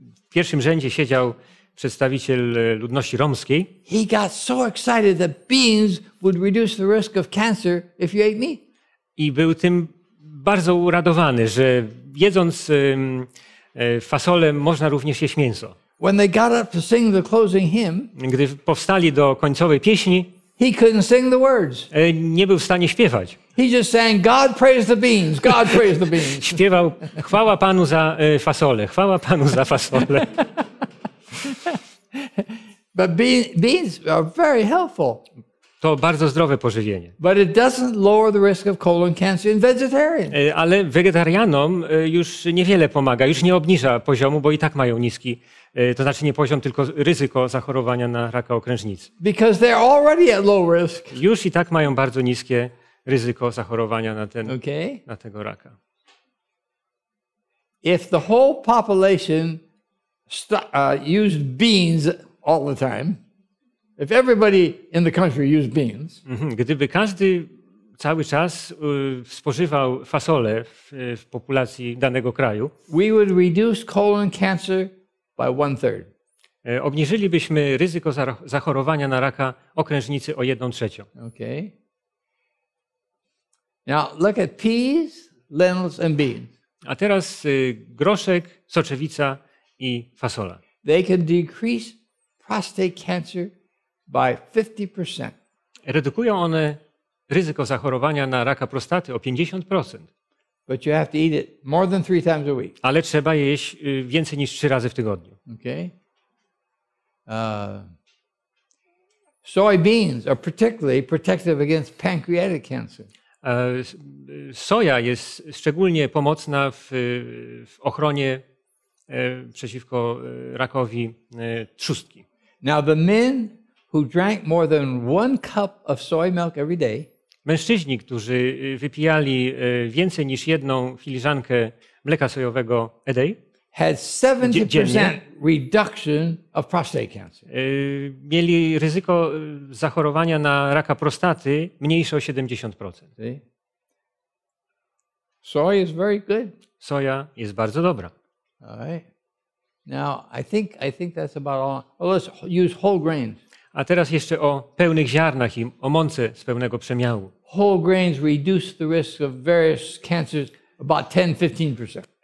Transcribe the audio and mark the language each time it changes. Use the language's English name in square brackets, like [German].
[Polish] W pierwszym rzędzie siedział przedstawiciel ludności romskiej. [English] He got so excited that beans would reduce the risk of cancer if you ate meat. [Polish] I był tym bardzo uradowany, że jedząc fasolę można również jeść mięso. [English] When they got up to sing the closing hymn, [Polish] gdy powstali do końcowej pieśni, [English] he couldn't sing the words. [Polish] Nie był w stanie śpiewać. [English] He just sang, God praise the beans, God praise the beans. [Polish] Śpiewał, chwała Panu za fasolę, chwała Panu za fasolę. [English] But beans are very helpful. [Polish] To bardzo zdrowe pożywienie. [English] But it doesn't lower the risk of colon cancer in vegetarians. [Polish] Ale wegetarianom już niewiele pomaga, już nie obniża poziomu, bo i tak mają niski, to znaczy nie poziom, tylko ryzyko zachorowania na raka okrężnicy. [English] Because they're already at low risk. [Polish] Już i tak mają bardzo niskie ryzyko zachorowania na ten, okay, na tego raka. [English] If the whole population used beans all the time, if everybody in the country used beans, [Polish] gdyby każdy cały czas spożywał fasolę w populacji danego kraju, [English] we would reduce colon cancer by 1/3. [Polish] Obniżylibyśmy ryzyko zachorowania na raka okrężnicy o 1/3. [English] Okay. Now look at peas, lentils and beans. [Polish] A teraz groszek, soczewica i fasola. [English] They can decrease prostate cancer by 50%. [Polish] Redukują one ryzyko zachorowania na raka prostaty o 50%. [English] But you have to eat it more than 3 times a week. [Polish] Ale trzeba jeść więcej niż 3 razy w tygodniu. [English] Okay. Soybeans are particularly protective against pancreatic cancer. [Polish] Soja jest szczególnie pomocna w ochronie przeciwko rakowi trzustki. [English] Now the men who drank more than 1 cup of soy milk every day, [Polish] mężczyźni, którzy wypijali więcej niż jedną filiżankę mleka sojowego [English] a day, had 70% reduction of prostate cancer. [Polish] Mieli ryzyko zachorowania na raka prostaty mniejsze o 70%. [English] Soy is very good. [Polish] Soja jest bardzo dobra. [English] All right. Now, I think that's about all. Well, let's use whole grains. [Polish] A teraz jeszcze o pełnych ziarnach i o mące z pełnego przemiału. [English] Whole grains reduce the risk of various cancers about 10-15%.